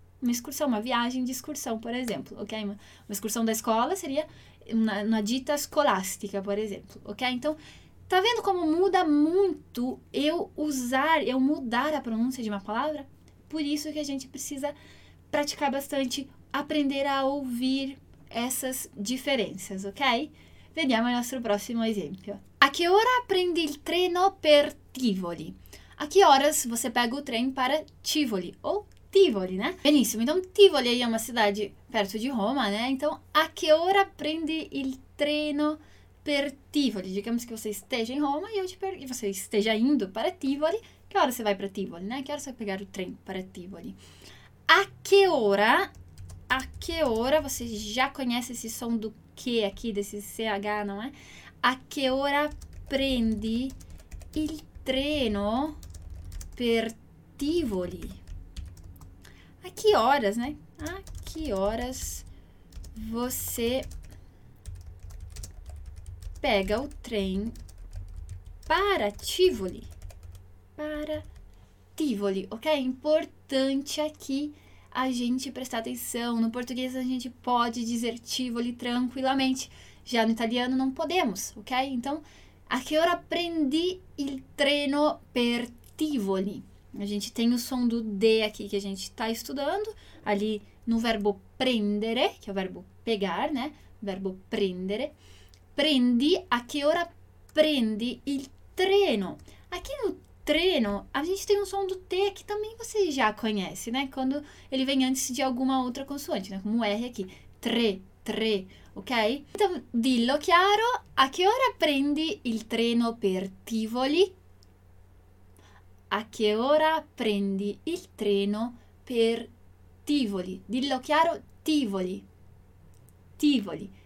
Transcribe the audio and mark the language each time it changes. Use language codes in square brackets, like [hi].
[pt] Uma excursão, uma viagem de excursão, por exemplo, ok? Uma excursão da escola seria na [it] dita scolastica, [pt] por exemplo, ok? Então, tá vendo como muda muito eu usar, eu mudar a pronúncia de uma palavra? Por isso que a gente precisa praticar bastante, aprender a ouvir essas diferenças, ok? [it] Vediamo il nostro prossimo esempio. A che ora prendi il treno per Tivoli? A che ora [pt] você pega o trem para Tivoli? Ou Tivoli, né? Benissimo, então Tivoli aí é uma cidade perto de Roma, né? Então, [it] a che ora prendi il treno per Tivoli? [pt] Digamos que você esteja em Roma e eu te pergunto, você esteja indo para Tivoli. Que hora você vai para Tivoli, né? Que hora você vai pegar o trem para Tivoli? A que hora, você já conhece esse som do que aqui, desse CH, não é? [it] A que ora prendi il treno per Tivoli? [pt] A que horas, né? A que horas você pega o trem para Tivoli? Para Tivoli, ok? É importante aqui a gente prestar atenção. No português a gente pode dizer Tivoli tranquilamente, já no italiano não podemos, ok? [it] Então, a che ora prendi il treno per Tivoli? [pt] A gente tem o som do D aqui que a gente está estudando, ali no verbo prendere, que é o verbo pegar, né? Verbo prendere. [it] Prendi, a che ora prendi il treno? [pt] Aqui no treno, a gente tem um som do T que também você já conhece, né? Quando ele vem antes de alguma outra consoante, né? Como R aqui. Tre, tre, ok? Então, [it] dillo chiaro, a che ora prendi il treno per Tivoli? A che ora prendi il treno per Tivoli? Dillo chiaro, Tivoli. Tivoli.